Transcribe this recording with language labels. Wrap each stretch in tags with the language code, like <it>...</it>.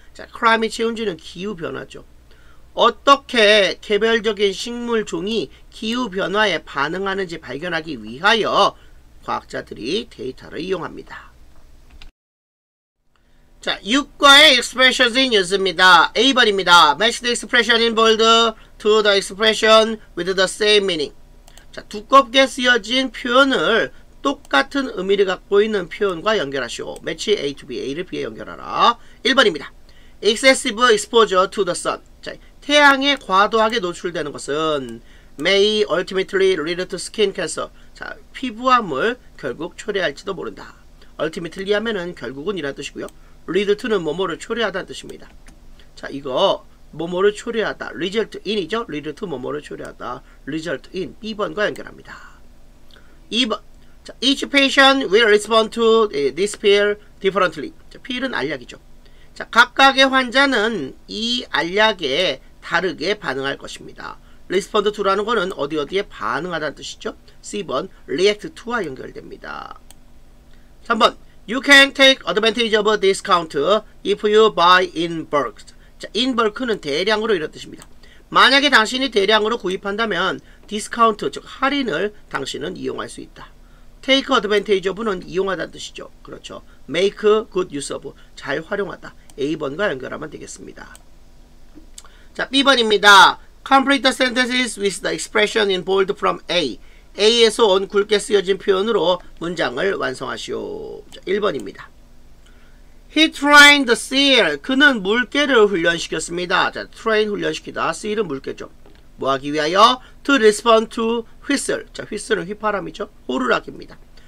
<ko>자, climate change는 기후변화죠. 어떻게 개별적인 식물 종이 기후변화에 반응하는지 발견하기 위하여 과학자들이 데이터를 이용합니다. 자, 6과의</ko> <en>expressions in use</en> <ko>입니다. A번입니다.</ko> <en>Match the expression in bold to the expression with the same meaning.</en> <ko>자, 두껍게 쓰여진 표현을 똑같은 의미를 갖고 있는 표현과 연결하시오.</ko> <en>Match A to B,</en> <ko>A를 B에 연결하라. 1번입니다.</ko> <en>Excessive exposure to the sun.</en> <ko>자, 태양에 과도하게 노출되는 것은</ko> <en>may ultimately lead to skin cancer.</en> <ko>자, 피부암을 결국 초래할지도 모른다. ultimately 하면은 결국은 이란 뜻이고요. lead to는 뭐뭐를 초래하다는 뜻입니다. 자, 이거 뭐뭐를 초래하다. result in이죠. lead to 뭐뭐를 초래하다. result in, B번과 연결합니다. 2번.</ko> <en>자, each patient will respond to this pill differently.</en> <ko>자, pill은 알약이죠. 자, 각각의 환자는 이 알약에 다르게 반응할 것입니다. respond to라는 거는 어디 어디에 반응하다는 뜻이죠. C번, react to와 연결됩니다.</ko> <en>3번 You can take advantage of a discount if you buy in bulk.</en> <ko>자, in bulk는 대량으로 이런 뜻입니다. 만약에 당신이 대량으로 구입한다면 디스카운트 즉 할인을 당신은 이용할 수 있다. Take advantage of는 이용하다는 뜻이죠. 그렇죠.</ko> <en>Make good use of</en> <ko>잘 활용하다. A번과 연결하면 되겠습니다. 자, B번입니다.</ko> <en>Complete the sentences with the expression in bold from A.</en> <ko>A에서 온 굵게 쓰여진 표현으로 문장을 완성하시오.</ko> <en>자,</en> <ko>1번입니다.</ko> <en>He trained the seal.</en> <ko>그는 물개를 훈련시켰습니다. 자, train 훈련시키다. Seal은 물개죠. 뭐 하기 위하여?</ko> <en>To respond to whistle.</en> <ko>자, whistle은 휘파람이죠. 호루라기입니다.</ko>